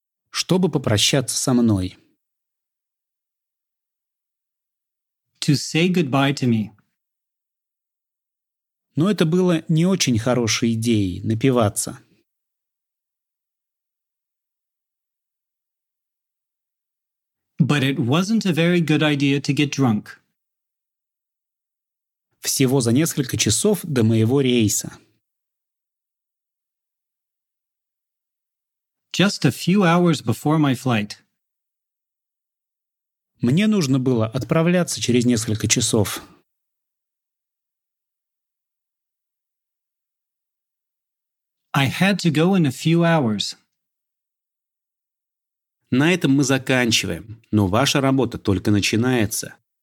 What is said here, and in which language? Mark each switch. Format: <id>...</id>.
<ru>чтобы попрощаться со мной.</ru> <en>To say goodbye to me.</en> <ru>Но это было не очень хорошей идеей – напиваться.</ru> <en>But it wasn't a very good idea to get drunk.</en> <ru>Всего за несколько часов до моего рейса.</ru> <en>Just a few hours before my flight.</en> <ru>Мне нужно было отправляться через несколько часов.</ru> <en>I had to go in a few hours.</en> <ru>На этом мы заканчиваем, но ваша работа только начинается.</ru>